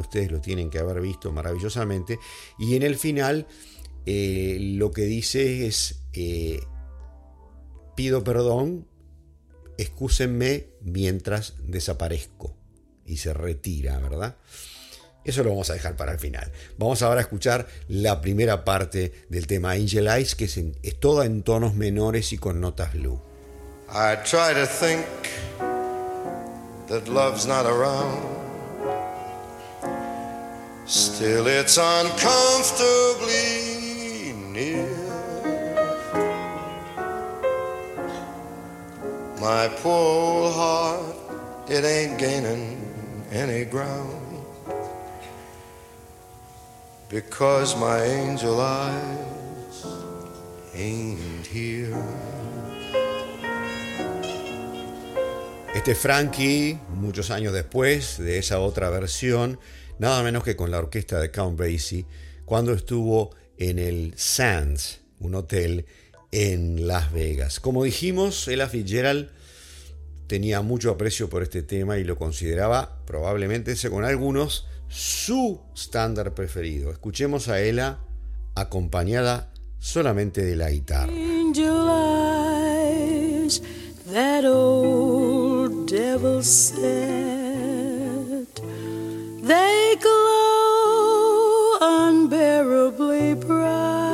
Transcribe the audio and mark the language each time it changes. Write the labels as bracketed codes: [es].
[es] Ustedes lo tienen que haber visto maravillosamente. Y en el final lo que dice es pido perdón, excúsenme mientras desaparezco. Y se retira, ¿verdad? Eso lo vamos a dejar para el final. Vamos ahora a escuchar la primera parte del tema Angel Eyes, que es toda en tonos menores y con notas blue. [en] I try to think that love's not around. Still it's uncomfortably near. My poor old heart, it ain't gaining any ground. Because my angel eyes ain't here. [es] Este Frankie, muchos años después de esa otra versión, nada menos que con la orquesta de Count Basie, cuando estuvo en el Sands, un hotel en Las Vegas. Como dijimos, Ella Fitzgerald tenía mucho aprecio por este tema y lo consideraba, probablemente según algunos, su estándar preferido. Escuchemos a Ella acompañada solamente de la guitarra. [en] Angel eyes, that old devil said, they glow unbearably bright.